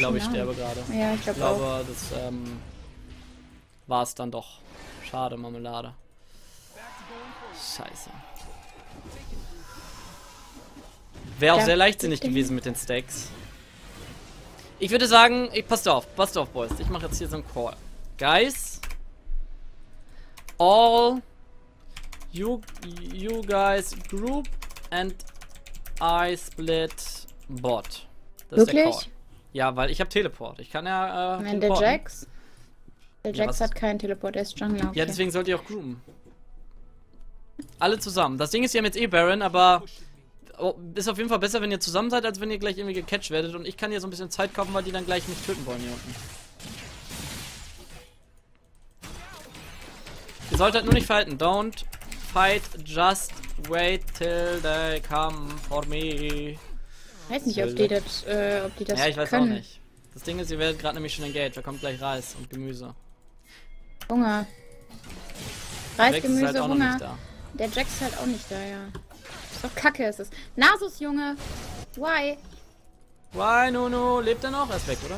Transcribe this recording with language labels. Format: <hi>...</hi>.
<de>Ich glaube, ich sterbe gerade. Ja, ich glaube auch. Aber das war es dann doch. Schade, Marmelade. Scheiße. Wäre auch sehr leichtsinnig gewesen mit den Stacks. Ich würde sagen, passt auf, Boys. Ich mache jetzt hier so einen Call.</de> <en>Guys, all you guys group and I split bot.</en> <de>Das wirklich? Ist der Call. Ja, weil ich habe Teleport. Ich kann ja Teleporten. Der Jax? Der Jax hat keinen Teleport, er ist Jungler. Okay. Ja, deswegen sollt ihr auch groupen. Alle zusammen. Das Ding ist, wir haben jetzt Baron, aber... Oh, ist auf jeden Fall besser, wenn ihr zusammen seid, als wenn ihr gleich irgendwie gecatcht werdet. Und ich kann hier so ein bisschen Zeit kaufen, weil die dann gleich mich töten wollen hier unten. Ihr solltet nur nicht fighten.</de> <en>Don't fight, just wait till they come for me.</en> <de>Weiß nicht, ob die das können. Ja, ich weiß können. Auch nicht. Das Ding ist, ihr werdet gerade nämlich schon engaged. Da kommt gleich Reis und Gemüse. Hunger. Reis, Jax Gemüse, ist halt auch Hunger. Noch nicht da. Der Jax ist halt auch nicht da, ja. Ist doch kacke, ist es. Nasus, Junge!</de> <en>Why? Why,</en> <de>Nunu? Lebt er noch? Er ist weg, oder?</de>